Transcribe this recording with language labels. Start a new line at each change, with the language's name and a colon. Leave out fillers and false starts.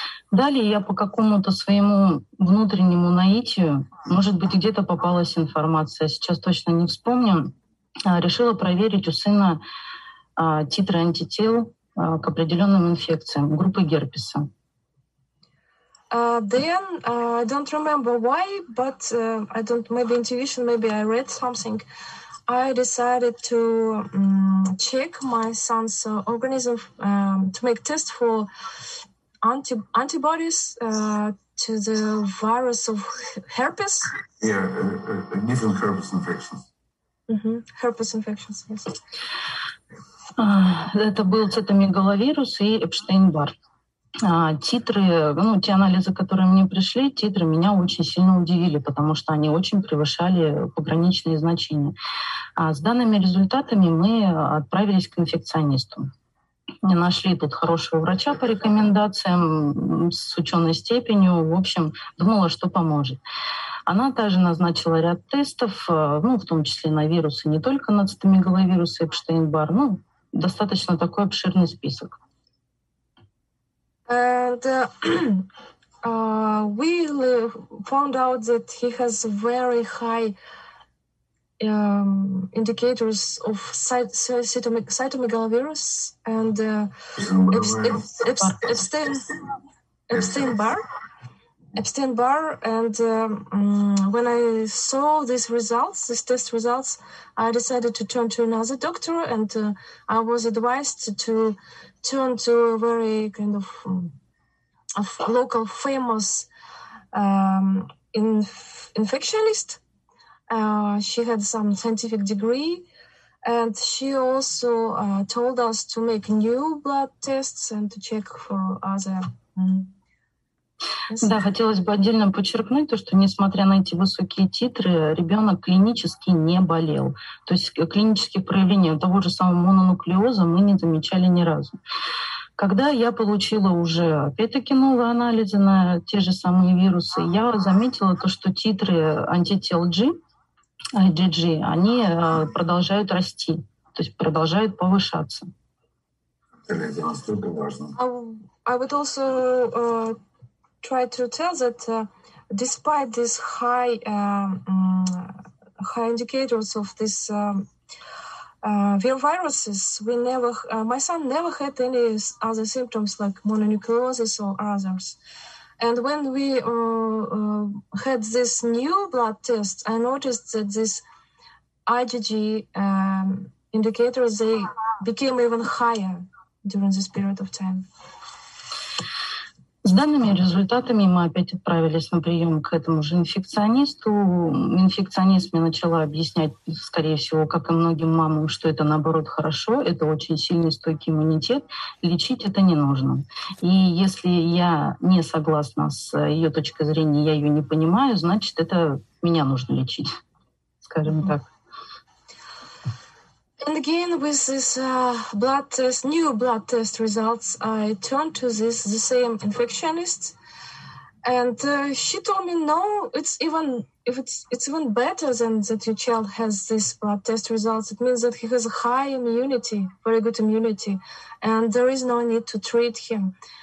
Russian: Далее я по какому-то своему внутреннему наитию, может быть, где-то попалась информация, сейчас точно не вспомню, решила проверить у сына титры антител к определенным инфекциям группы герпеса.
English: Then I don't remember why, but I don't, maybe intuition, maybe I read something. I decided to check my son's organism, to make test for antibodies to the virus of herpes? Yeah, different herpes infections. Mm-hmm. Herpes infections, yes.
Russian: Это был цитомегаловирус и Эпштейн-Барр. Титры, ну, те анализы, которые мне пришли, титры меня очень сильно удивили, потому что они очень превышали пограничные значения. С данными результатами мы отправились к инфекционисту. Не нашли тут хорошего врача по рекомендациям с ученой степенью. В общем, думала, что поможет. Она также назначила ряд тестов, ну, в том числе на вирусы, не только на цитомегаловирус и Эпштейн-Барр. Ну, достаточно такой обширный список.
English: And we found out that he has very high indicators of cytomegalovirus and Epstein-Barr. And when I saw these results, these test results, I decided to turn to another doctor, and I was advised to turn to a very kind of local famous infectionist. She had some scientific degree, and she also told us to make new blood tests and to check for other.
Russian: Да, хотелось бы отдельно подчеркнуть то, что несмотря на эти высокие титры, ребенок клинически не болел. То есть клинических проявлений того же самого мононуклеоза мы не замечали ни разу. Когда я получила уже опять-таки новые анализы на те же самые вирусы, я заметила то, что титры антител G, IgG, они продолжают расти, то есть продолжают повышаться.
English: I would also try to tell that despite this high high indicators of this viruses, we never my son never had any other symptoms like mononucleosis or others. And when we had this new blood test, I noticed that this IgG indicators, they became even higher during this period of time.
Russian: С данными результатами мы опять отправились на прием к этому же инфекционисту. Инфекционист мне начала объяснять, скорее всего, как и многим мамам, что это, наоборот, хорошо, это очень сильный, стойкий иммунитет, лечить это не нужно. И если я не согласна с ее точкой зрения, я ее не понимаю, значит, это меня нужно лечить, скажем так.
English: And again, with this blood test, new blood test results, I turned to the same infectionist, and she told me, "No, it's even better than that. Your child has this blood test results. It means that he has a high immunity, very good immunity, and there is no need to treat him.